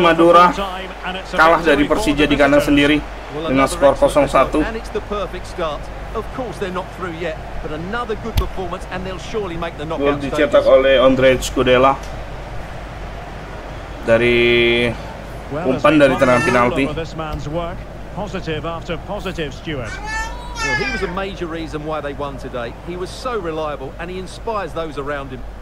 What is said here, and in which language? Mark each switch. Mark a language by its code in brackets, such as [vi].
[id] Madura kalah dari Persija di kandang sendiri dengan skor 0-1. [en] And it's the perfect start. Of course they're not through yet, but another good performance and they'll surely make the knockout stage. [id] Dicetak oleh Andrej Kudela dari umpan dari tendangan penalti. [en] Positive after positive, Stuart. Well, he was a major reason why they won today. He was so reliable and he inspires those around him.